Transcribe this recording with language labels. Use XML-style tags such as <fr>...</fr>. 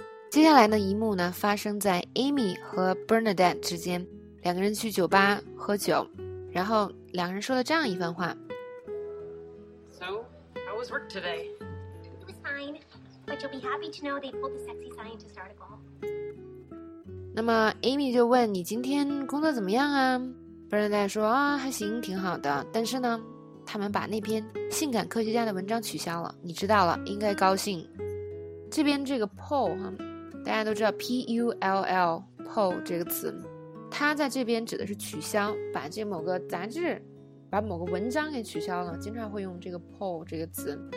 <zh>接下来的一幕呢，发生在 Amy 和 Bernadette 之间，两个人去酒吧喝酒，然后两个人说了这样一番话。</zh> <en>So, how was work today? It was fine, but you'll be happy to know they pulled the sexy scientist article.</en> <zh>那么 Amy 就问你今天工作怎么样啊？Bernadette 说啊，还行，挺好的，但是呢，他们把那篇性感科学家的文章取消了，你知道了，应该高兴。这边这个 pull 哈，大家都知道 P-U-L-L pull 这个词，它在这边指的是取消，把这某个杂志，把某个文章给取消了，经常会用这个 pull 这个词。</zh>